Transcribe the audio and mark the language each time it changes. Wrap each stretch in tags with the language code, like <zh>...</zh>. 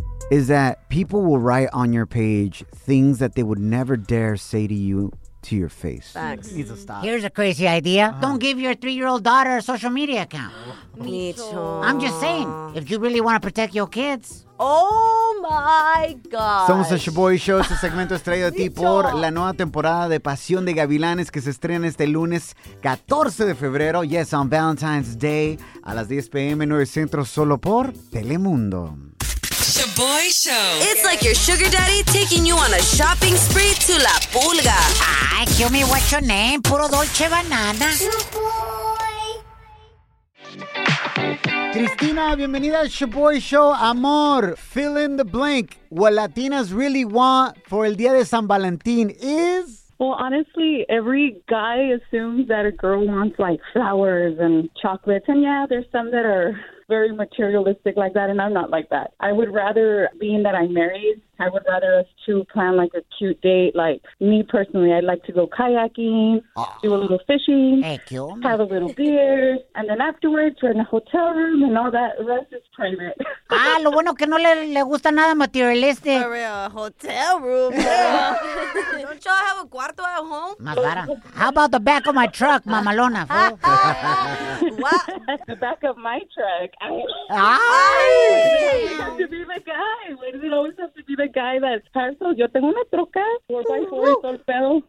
<en>Is that people will write on your page things that they would never dare say to you to your face. Facts. Needs to stop. Here's a crazy idea. Uh-huh. Don't give your 3-year-old daughter a social media account. Me too. I'm just saying, if you really want to protect your kids. Oh my God.</en> <es>Somos el Shaboy Show. Este segmento es traído a ti por la nueva temporada de Pasión de Gavilanes que se estrena este lunes 14 de febrero.</es> <en>Yes, on Valentine's Day</en> <es>a las 10 p.m. en 9 Centro, solo por Telemundo.</es> <en>Shaboy Show. It's like your sugar daddy taking you on a shopping spree to La Pulga. Ay, kill me, what's your name? Puro Dolce Banana.</en> <es>Shaboy. Cristina, bienvenida al Shaboy Show.</es> <en>Amor, fill in the blank. What Latinas really want for</en> <es>el Día de San Valentín</es> <en>is... Well, honestly, every guy assumes that a girl wants, like, flowers and chocolates. And yeah, there's some that are very materialistic like that, and I'm not like that. I would rather, being that I'm married, I would rather us two plan like a cute date. Like me personally, I'd like to go kayaking, do a little fishing, have a little beer, and then afterwards we're in a hotel room and all that. The rest is private.</en> <es>Ah, lo bueno que no le gusta nada materialistic.</es> <en>For real, hotel room. Don't y'all have a cuarto at home?</en> <es>Más barra.</es> <en>How about the back of my truck, mamalona? What? The back of my truck. Ay! To be the guy. Why does it always have to be the guy that's parceled?</en> <es>Yo tengo una troca. 4x4 y todo el pedo.</es>